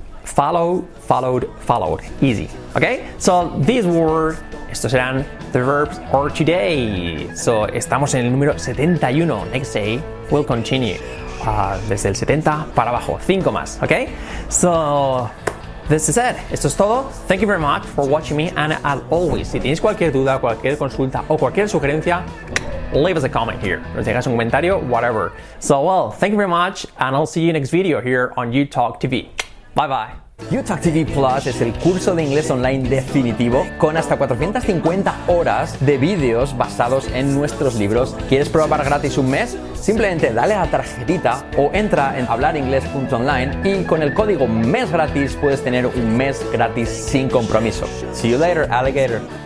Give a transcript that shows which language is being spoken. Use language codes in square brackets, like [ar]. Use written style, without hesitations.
[en] follow, followed, followed. Easy. Okay? So these were, [es] estos serán [en] the verbs for today. [es] So estamos en el número 71. [en] Next day we'll continue. [es] Desde el 70 para abajo. 5 más. [en] Okay? So this is it. [es] Esto es todo. [en] Thank you very much for watching me. And as always, [es] si tienes cualquier duda, cualquier consulta o cualquier sugerencia, [en] leave us a comment here. [es] Nos dejas un comentario, whatever. [en] So, well, thank you very much, and I'll see you next video here on UTalk TV. Bye bye. [es] UTalk TV Plus es el curso de inglés online definitivo con hasta 450 horas de vídeos basados en nuestros libros. ¿Quieres probar gratis un mes? Simplemente dale a la tarjetita o entra en hablaringles.online y con el código MESGRATIS puedes tener un mes gratis sin compromiso. [en] See you later, alligator.